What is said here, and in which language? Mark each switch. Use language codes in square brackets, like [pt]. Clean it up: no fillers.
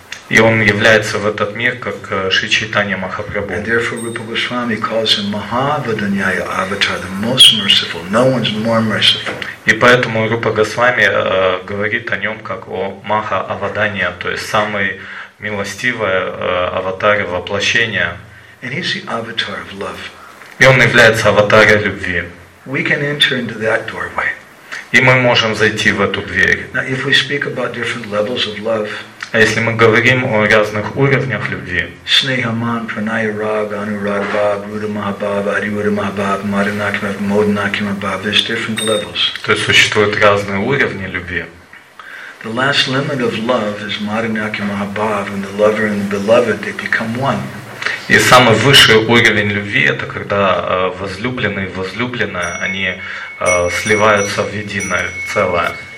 [ru] И Он является в этот мир как Шри Чайтанья Махапрабху. [en] And therefore Rupa Goswami calls him Mahavadanyaya Avatar, the most merciful. No one's more merciful. [ru] И поэтому Рупа Госвами говорит о нем как о Маха Авадания, то есть самый милостивый аватар воплощения. [en] And he's the avatar of love. [ru] И он является аватаром любви. [en] We can enter into that doorway. [ru] И мы можем зайти в эту дверь. [en] Now, if we speak about different levels of love. [ru] А если мы говорим о разных уровнях любви, [en] Снехаман, Праная Рага, Анурага Бхав, Руда Махабхав, Ариуда Махабхав, Маринакимабхав, Моднакимабхав, there's different levels. [ru] То есть существуют разные уровни любви. [en] The last limit of love is Маринакимабхав, and the lover and the beloved, they become one. [ru] И самый высший уровень любви – это когда возлюбленный и возлюбленная, они сливаются в единое целое.